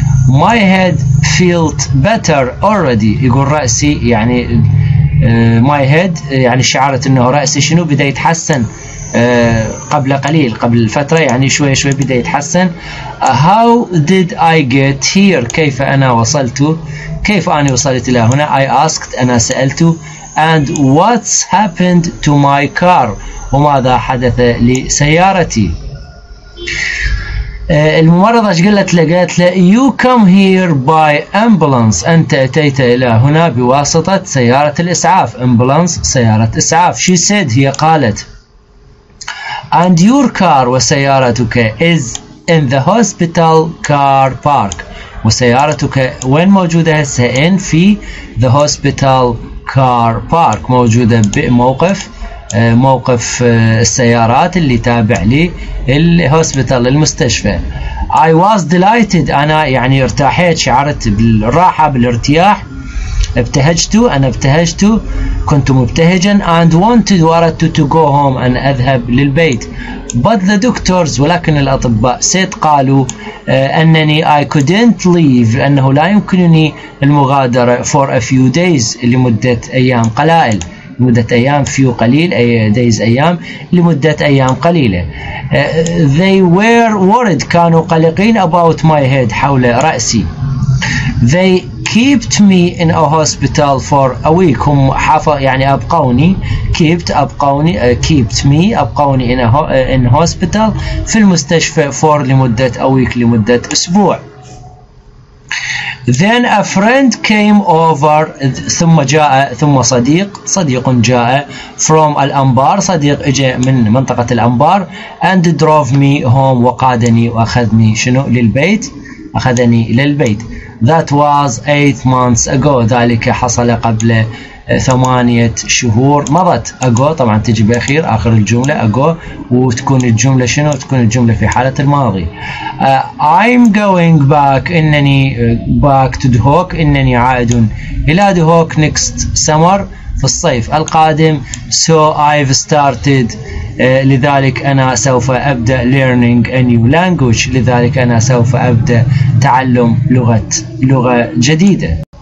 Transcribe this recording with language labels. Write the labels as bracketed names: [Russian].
[English] My head felt better already. [Arabic] يقول رأسي, يعني [English] my head, [Arabic] يعني شعرت أنه رأسي شنو بدأ يتحسن قبل قليل, قبل فترة, يعني شوي شوي بدأ يتحسن. [English] How did I get here, [Arabic] كيف أنا وصلت, كيف أنا وصلت إلى هنا. [English] I asked, [Arabic] أنا سألت. [English] And what's happened to my car, [Arabic] وماذا حدث لسيارتي. الممرضة قالت له, قالت له [English] you come here by ambulance, [Arabic] أنت أتيت إلى هنا بواسطة سيارة الإسعاف. Ambulance, سيارة إسعاف. [English] She said, [Arabic] هي قالت. [English] And your car, [Arabic] وسيارتك, [English] is in the hospital car park, [Arabic] وسيارتك وين موجودة هسه؟ in في [English] the hospital car park, [Arabic] موجودة بموقف موقف السيارات اللي تابع لي الهوسبيتال المستشفى. [English] I was delighted, [Arabic] أنا يعني ارتاحيت, شعرت بالراحة بالارتياح. ابتهجت, أنا ابتهجت, كنت مبتهجا. [English] And wanted, [Arabic] وأردت [English] to go home, [Arabic] أن أذهب للبيت. [English] But the doctors, [Arabic] ولكن الأطباء سيد قالوا أنني [English] I couldn't leave, [Arabic] أنه لا يمكنني المغادرة [English] for a few days, [Arabic] لمدة أيام قلائل, لمدة أيام فيو قليل, أي days أيام, لمدة أيام قليلة. [English] They were worried, [Arabic] كانوا قلقين [English] about my head, [Arabic] حول رأسي. [English] They kept me in a hospital for a week, [Arabic] هم يعني أبقوني, [English] kept أبقوني, kept me, أبقوني in hospital, [Arabic] في المستشفى, [English] for لمدة a week, [Arabic] لمدة أسبوع. [English] Then a friend came over, [Arabic] ثم جاء, ثم صديق, صديق جاء, from الأنبار, صديق اجى من منطقة الأنبار, [English] and drove me home, [Arabic] وقادني واخذني شنو للبيت, اخذني للبيت. [English] That was 8 months ago, [Arabic] ذلك حصل قبل 8 شهور مضت. ago طبعا تجي بأخير, آخر الجملة ago, وتكون الجملة شنو, تكون الجملة في حالة الماضي. [English] I'm going back, إنني back to Dohuk, [Arabic] إنني عائد إلى [English] Dohuk next summer, [Arabic] في الصيف القادم. [English] So I've started, [Arabic] لذلك أنا سوف أبدأ [English] learning a new language, [Arabic] لذلك أنا سوف أبدأ تعلم لغة جديدة.